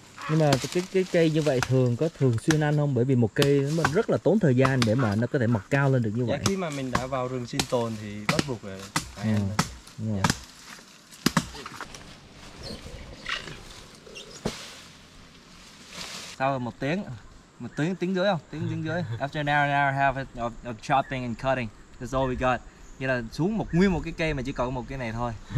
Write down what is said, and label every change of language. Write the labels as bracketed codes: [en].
[vi] Nhưng mà cái cây như vậy thường có thường xuyên ăn không? Bởi vì một cây nó rất là tốn thời gian để mà nó có thể mọc cao lên được như vậy. Dạ, khi mà mình đã vào rừng sinh tồn thì bắt buộc phải ăn. Dạ. Sau một tiếng, tiếng rưỡi. [en] After an hour and a half of chopping and cutting, that's all we got. [vi] Nghĩa là xuống một nguyên một cái cây mà chỉ còn một cái này thôi.